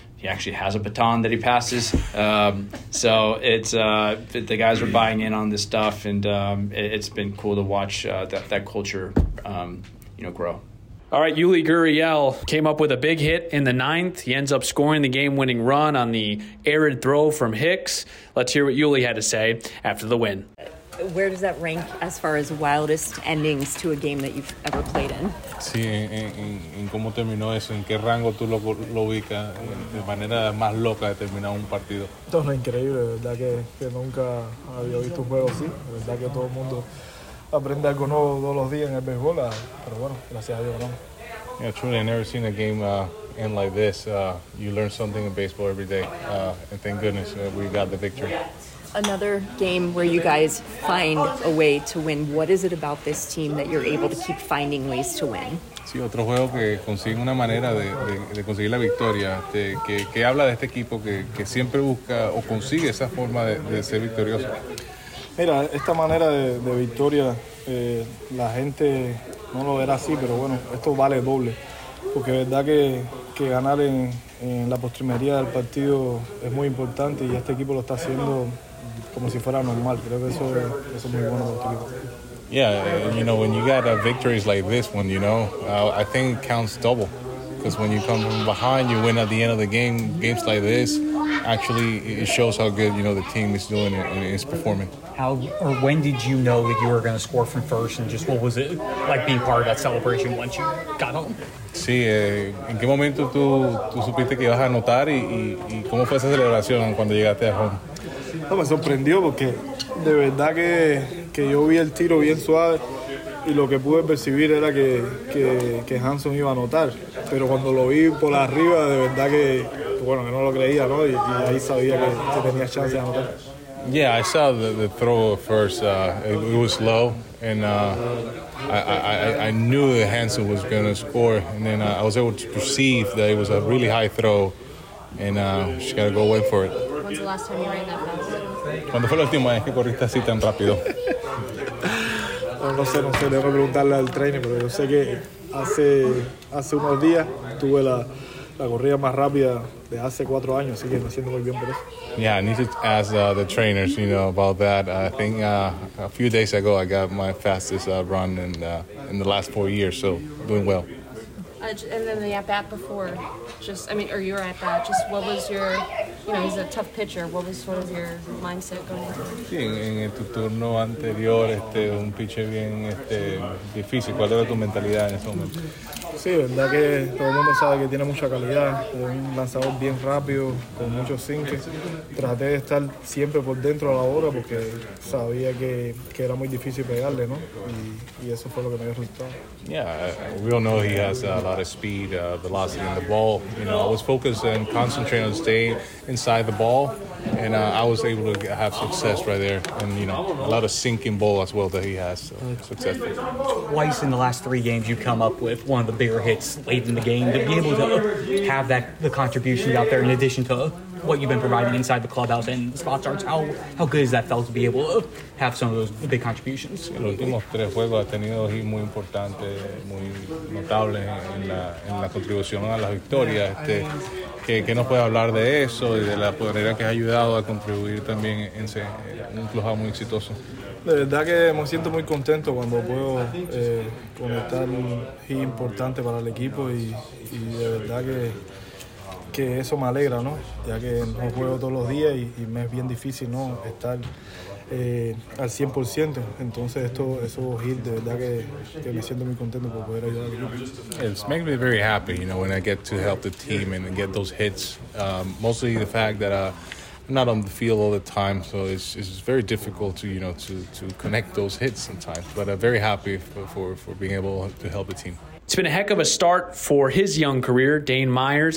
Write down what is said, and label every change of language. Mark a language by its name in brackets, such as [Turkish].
[English] He actually has a baton that he passes. So the guys are buying in on this stuff, and it's been cool to watch that culture grow. All right, Yuli Gurriel came up with a big hit in the 9th. He ends up scoring the game-winning run on the errant throw from Hicks. Let's hear what Yuli had to say after the win. Where does that rank as far as wildest endings to a game that you've ever played in? [Spanish] Sí, en cómo terminó eso, en qué rango tú lo ubicas, de manera más loca de terminar un partido. Esto es increíble, verdad que nunca había visto un juego así. Verdad que todo el mundo aprende algo nuevo todos los días en el béisbol, pero bueno, gracias a Dios, ¿no? [English] Yeah, truly, I've never seen a game end like this. You learn something in baseball every day, and thank goodness we got the victory. Another game where you guys find a way to win. What is it about this team that you're able to keep finding ways to win? [Spanish] Sí, otro juego que consiguen una manera de conseguir la victoria. Que habla de este equipo que siempre busca o consigue esa forma de ser victorioso. Mira, esta manera de victoria, la gente no lo verá así, pero bueno, esto vale doble. Porque verdad que ganar en la postrimería del partido es muy importante y este equipo lo está haciendo como si fuera normal. Creo que eso es muy bueno para este equipo. [English] Yeah, you know, when you got victories like this one, you know, I think it counts double. Because when you come from behind, you win at the end of the game, games like this, actually it shows how good, you know, the team is doing and is performing. How or when did you know that you were going to score from first, and just what was it like being part of that celebration once you got home? [Spanish] Sí, ¿en qué momento tú supiste que ibas a anotar y cómo fue esa celebración cuando llegaste a home? No, me sorprendió porque de verdad que yo vi el tiro bien suave y lo que pude percibir era que Hanson iba a anotar, pero cuando lo vi por arriba de verdad que bueno, que no lo creía, ¿no? Y ahí sabía que tenía chance de anotar. [English] Yeah, I saw the throw at first. It was low, and I knew that Hanson was going to score. And then I was able to perceive that it was a really high throw, and just got to go away for it. When's the last time you ran that fast? [Spanish] ¿Cuándo fue la última vez que corriste así tan rápido? No sé. Debo preguntarle al trainer, pero yo sé que hace unos días tuve la corrida más rápida de hace 4 años, así que me siento muy bien por eso. [English] Yeah, I need to ask the trainers, you know, about that. I think a few days ago I got my fastest run in the last 4 years, so doing well. And then the at-bat before, just, I mean, or your at-bat, just what was your he's a tough pitcher. What was sort of your mindset going into? [Spanish] Sí, en tu turno anterior, un pitcher bien difícil. ¿Cuál era tu mentalidad en ese momento? Sí, verdad que todo el mundo sabe que tiene mucha calidad. Es un lanzador bien rápido, con muchos sinkers. Traté de estar siempre por dentro de la bola porque sabía que era muy difícil pegarle, ¿no? Y eso fue lo que me dio resultado. [English] Yeah, we all know he has a lot of speed, velocity in the ball. You know, I was focused and concentrated on staying inside the ball, and I was able to have success right there. And, you know, a lot of sinking ball as well that he has, so success. Twice in the last three games you come up with one of the bigger hits late in the game. To be able to have that, the contribution out there in addition to what you've been providing inside the clubhouse and the spot starts, how good is that felt to be able to have some of those big contributions? [Spanish] En los últimos tres juegos ha tenido hit muy importante, muy notable en la contribución a las victorias. ¿Qué nos puede hablar de eso y de la manera que ha ayudado a contribuir también en ese un clubhouse muy exitoso? De verdad que me siento muy contento cuando puedo conectar un hit importante para el equipo y de verdad que eso me alegra, ¿no? Ya que no juego todos los días y me es bien difícil, ¿no? Estar al 100%. Entonces, esos hits, de verdad que me siento muy contento por poder ayudar al equipo. [English] It's making me very happy, you know, when I get to help the team and get those hits. Mostly the fact that I'm not on the field all the time, so it's very difficult to, you know, to connect those hits sometimes. But I'm very happy for being able to help the team. It's been a heck of a start for his young career, Dane Meyers.